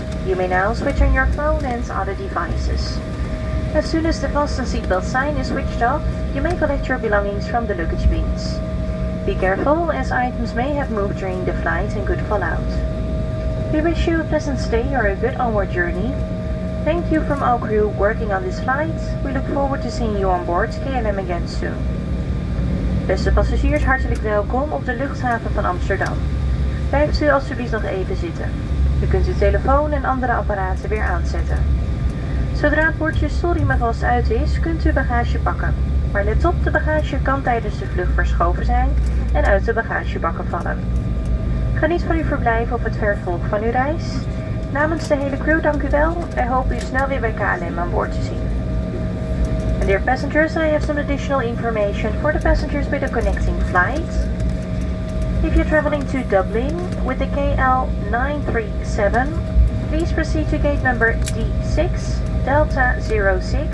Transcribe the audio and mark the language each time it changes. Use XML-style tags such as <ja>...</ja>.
<en>You may now switch on your phone and other devices. As soon as the fasten seatbelt sign is switched off, you may collect your belongings from the luggage bins. Be careful as items may have moved during the flight and could fall out. We wish you a pleasant stay or a good onward journey. Thank you from our crew working on this flight. We look forward to seeing you on board KLM again soon.</en> <nl>Beste passagiers, hartelijk welkom op de luchthaven van Amsterdam. Blijft u alstublieft nog even zitten. U kunt uw telefoon en andere apparaten weer aanzetten. Zodra het bordje sorry maar vast uit is, kunt u bagage pakken. Maar let op, de bagage kan tijdens de vlucht verschoven zijn en uit de bagagebakken vallen. Geniet van uw verblijf of het vervolg van uw reis. Namens de hele crew dank u wel en hopen u snel weer bij KLM aan boord te zien.</nl> <en>Dear passengers, I have some additional information for the passengers with a connecting flight. If you're traveling to Dublin with the KL937, please proceed to gate number D6, Delta 06.</en>